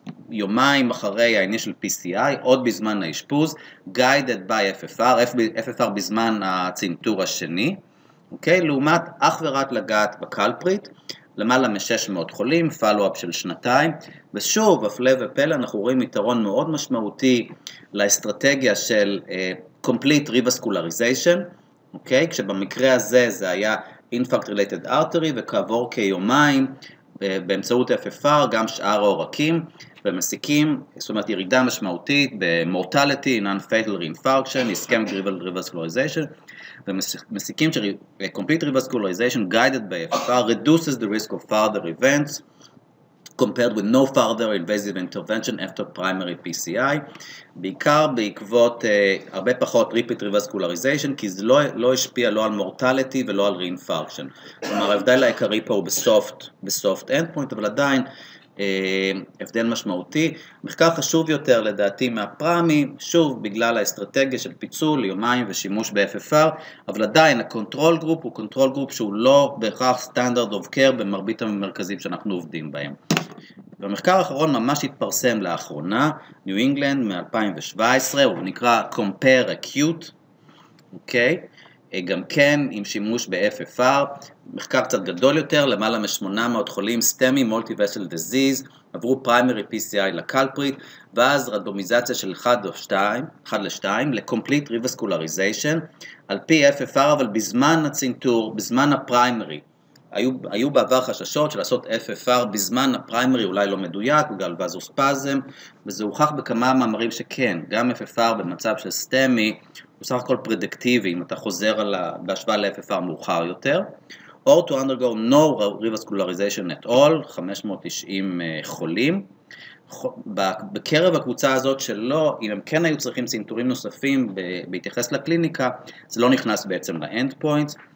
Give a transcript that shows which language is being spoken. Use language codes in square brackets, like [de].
[he] יומיים אחרי ה-initial PCI, עוד בזמן האשפוז, guided by FFR, FFR בזמן הצנתור השני, okay, לעומת אך ורק לגעת בקלפריט, למעלה מ-600 חולים, follow-up של 2 שנים, ושוב, הפלא ופלא, אנחנו רואים יתרון מאוד משמעותי לאסטרטגיה של complete revascularization, okay? כשבמקרה הזה זה היה infarct related artery, וכעבור כיומיים באמצעות FFR, גם שאר העורקים ומסיקים, זאת אומרת ירידה משמעותית ב-mortality, non-fatal reinfarction, ischemic revascularization, ומסיקים ש- [en] complete revascularization guided by FFR reduces the risk of further events compared with no further invasive intervention after primary PCI, [he] בעיקר בעקבות הרבה פחות repeat revascularization, כי זה לא השפיע לא על mortality ולא על reinfarction. כלומר, ההבדל העיקרי פה הוא בסופט endpoint, אבל עדיין הבדל משמעותי. מחקר חשוב יותר לדעתי מהפרמי, שוב בגלל האסטרטגיה של פיצול, יומיים ושימוש ב-FFR, אבל עדיין הקונטרול גרופ הוא קונטרול גרופ שהוא לא בהכרח סטנדרד אוף קר במרבית המרכזים שאנחנו עובדים בהם. והמחקר האחרון ממש התפרסם לאחרונה, ניו אינגלנד מ-2017, הוא נקרא Compare Acute, אוקיי? גם כן עם שימוש ב-FFR, מחקר קצת גדול יותר, למעלה מ-800 חולים, STEMI, multi-vessel disease, עברו primary PCI לקלפריט, ואז רנדומיזציה של 1 ל-2, ל-complete revascularization, על פי FFR, אבל בזמן הצנתור, בזמן הפריימרי, היו בעבר חששות של לעשות FFR בזמן הפריימרי, אולי לא מדויק, בגלל וזוספזם, וזה הוכח בכמה מאמרים שכן, גם FFR במצב של STEMI, הוא סך הכל פרדקטיבי, אם אתה חוזר בהשוואה ל-FFR מאוחר יותר, [en] or to undergo no revascularization at all, 590 חולים. [he] בקרב הקבוצה הזאת שלא, אם הם כן היו צריכים צנתורים נוספים בהתייחס לקליניקה, זה לא נכנס בעצם לאנד פוינט.